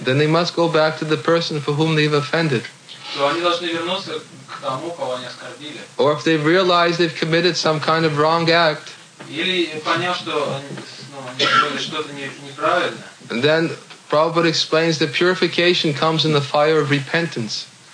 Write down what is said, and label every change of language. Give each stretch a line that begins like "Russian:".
English: then they must go back to the person for whom they've offended.
Russian: То они должны вернуться к тому, кого они оскорбили.
English: Or if they've realized they've committed some kind of wrong act,
Russian: или поняв, что они сделали что-то неправильное,
English: then Prabhupada explains that purification comes in the fire of repentance.